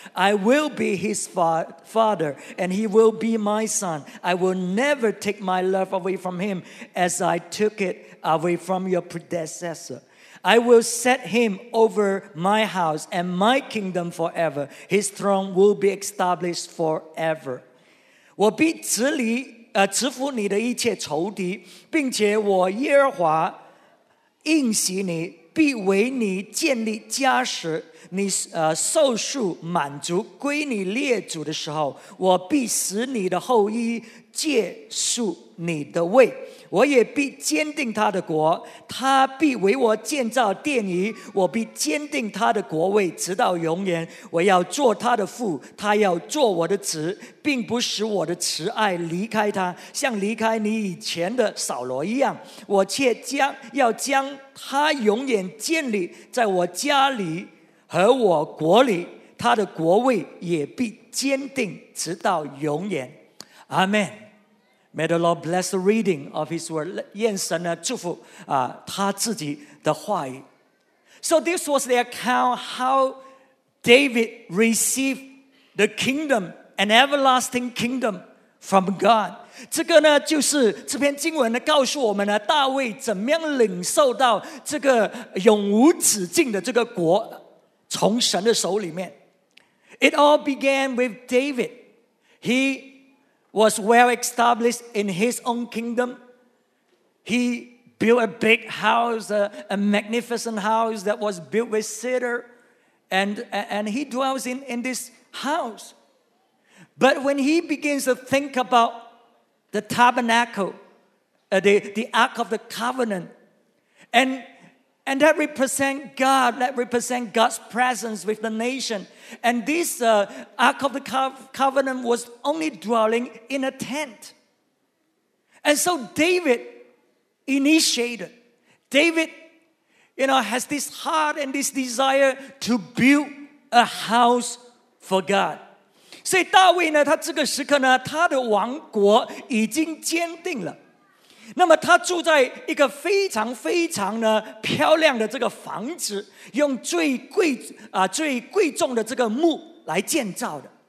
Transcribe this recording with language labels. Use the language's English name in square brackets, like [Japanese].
[English] I will be his father, and he will be my son. I will never take my love away from him as I took it away from your predecessor. I will set him over my house and my kingdom forever. His throne will be established forever. [Chinese] 我必治理赐福你的一切仇敌，并且我耶和华应许你，必为你建立家室，你寿数满足归你列祖的时候，我必使你的后裔借宿你的位，我也必坚定他的国，他必为我建造殿宇，我必坚定他的国位直到永远，我要做他的父，他要做我的子，并不使我的慈爱离开他，像离开你以前的扫罗一样，我却要将他永远建立在我家里和我国里，他的国位也必坚定直到永远。 [English] Amen. May the Lord bless the reading of his word. [Chinese] 愿神呢祝福他自己的话语。 [English] So this was the account how David received the kingdom, an everlasting kingdom from God. [Chinese] 这个呢就是这篇经文呢告诉我们呢大卫怎么样领受到这个永无止境的这个国从神的手里面。 [English] It all began with David. He was well established in his own kingdom. He built a big house, a magnificent house that was built with cedar, and he dwells in this house. But when he begins to think about the tabernacle, the Ark of the Covenant, And that represents God, that represents God's presence with the nation. And this Ark of the Covenant was only dwelling in a tent. And so David initiated. David, you know, has this heart and this desire to build a house for God. [Chinese] 所以大卫呢，他这个时刻呢，他的王国已经坚定了。那么他住在一个非常非常呢漂亮的这个房子，用最贵重的这个木来建造的。